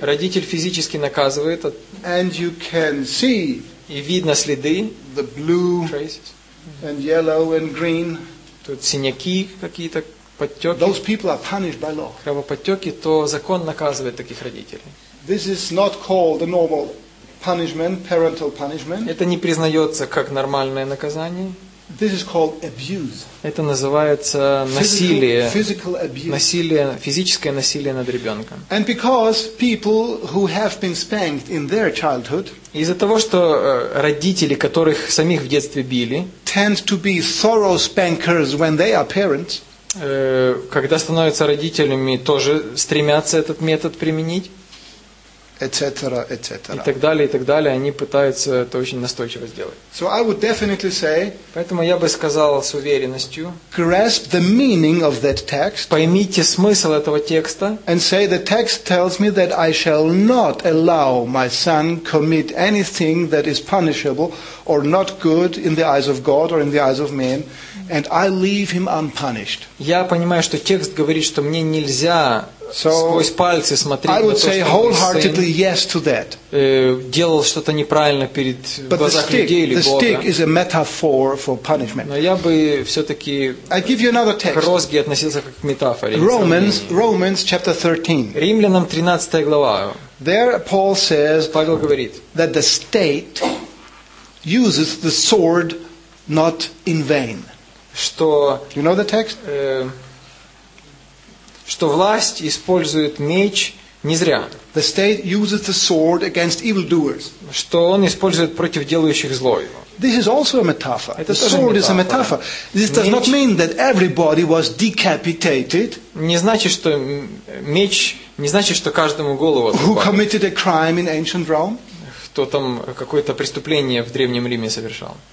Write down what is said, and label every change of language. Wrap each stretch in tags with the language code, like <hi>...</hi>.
<ru>родитель физически наказывает,</ru> <en>and you can see</en> <ru>и видно следы,</ru> <en>the blue traces, and yellow and green,</en> <ru>тут синяки какие-то, подтеки,</ru> <en>those people are punished by law.</en> <ru>Кровоподтеки, то закон наказывает таких родителей.</ru> <en>This is not called a normal punishment, parental punishment.</en> <ru>Это не признается как нормальное наказание.</ru> <en>This is called abuse.</en> <ru>Это называется насилие.</ru> <en>Physical abuse.</en> <ru>Насилие, физическое насилие над ребенком.</ru> <en>And because people who have been spanked in their childhood,</en> <ru>из-за того, что родители, которых самих в детстве били,</ru> <en>tend to be thorough spankers when they are parents.</en> <ru>Когда становятся родителями, тоже стремятся этот метод применить,</ru> <en>et cetera, et cetera.</en> <ru>И так далее, и так далее. Они пытаются это очень настойчиво сделать.</ru> <en>So I would definitely say,</en> <ru>поэтому я бы сказал с уверенностью,</ru> <en>grasp the meaning of that text,</en> <ru>поймите смысл этого текста,</ru> <en>and say the text tells me that I shall not allow my son commit anything that is punishable or not good in the eyes of God or in the eyes of men. And I leave him unpunished.</en> <ru>Я понимаю, что текст говорит, что мне нельзя сквозь пальцы смотреть на то, что</ru> <en>I would say wholeheartedly yes to that.</en> <ru>Делал что-то неправильно перед глазах людей или Бога.</ru> <en>The stick is a metaphor for punishment.</en> <ru>Но я бы все-таки</ru> <en>I give you another text.</en> <ru>К розге относился как к метафоре.</ru> <en>Romans chapter 13.</en> <ru>Римлянам 13 глава.</ru> <en>There Paul says</en> <ru>Павел говорит,</ru> <en>that the state uses the sword not in vain.</en> <ru>Что,</ru> <en>you know the text?</en> <ru>Что власть использует меч не зря.</ru> <en>The state uses the sword against evildoers.</en> <ru>Что он использует против делающих зло.</ru> <en>This is also a metaphor.</en> <ru>Это</ru> <en>the sword</en> <ru>метафора.</ru> <en>Is a metaphor. This does not mean that everybody was decapitated.</en> <ru>Не значит, что меч не значит, что каждому голову отрубали.</ru> <en>Who committed a crime in ancient Rome?</en> <ru>Кто там какое-то преступление в Древнем Риме совершал?</ru>